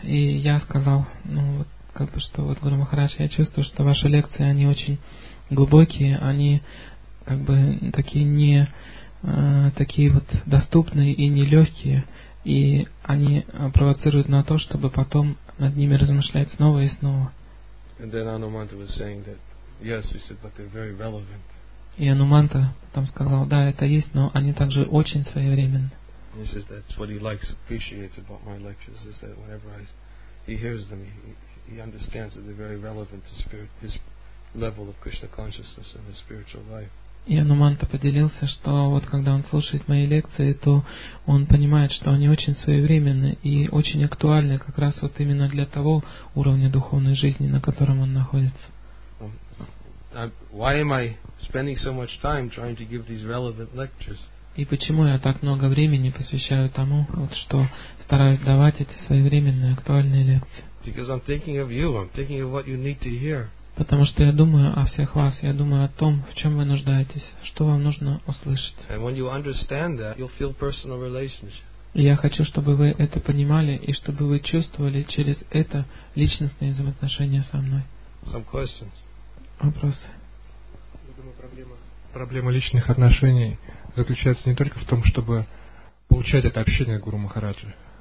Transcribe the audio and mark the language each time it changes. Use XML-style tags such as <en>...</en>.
<ru>И я сказал, Гуру Махарадж, я чувствую, что ваши лекции, они очень глубокие, они как бы такие не такие вот доступные и нелегкие, и они провоцируют на то, чтобы потом над ними размышлять снова и снова.</ru> <en>And then Anumanta was saying that, yes, he said, but they're very relevant.</en> <ru>И Ануманта там сказал, да, это есть, но они также очень своевременны.</ru> <en>And he says that's what he likes, appreciates about my lectures, is that whenever he hears them, he understands that they're very relevant to spirit, his level of Krishna consciousness and his spiritual life.</en> <ru>И Ануманта поделился, что вот когда он слушает мои лекции, то он понимает, что они очень своевременны и очень актуальны как раз вот именно для того уровня духовной жизни, на котором он находится.</ru> <en>Why am I spending so much time trying to give these relevant lectures?</en> <ru>И почему я так много времени посвящаю тому, вот что стараюсь давать эти своевременные актуальные лекции?</ru> <en>Because I'm thinking of you, I'm thinking of what you need to hear.</en> <ru>Потому что я думаю о всех вас, я думаю о том, в чем вы нуждаетесь, что вам нужно услышать.</ru> <en>And when you understand that, you'll feel personal relationship.</en> <ru>Я хочу, чтобы вы это понимали и чтобы вы чувствовали через это личностные взаимоотношения со мной.</ru> <en>Some questions.</en> <ru>Вопросы. Я думаю, проблема личных отношений заключается не только в том, чтобы получать это общение Гуру Махараджа.</ru>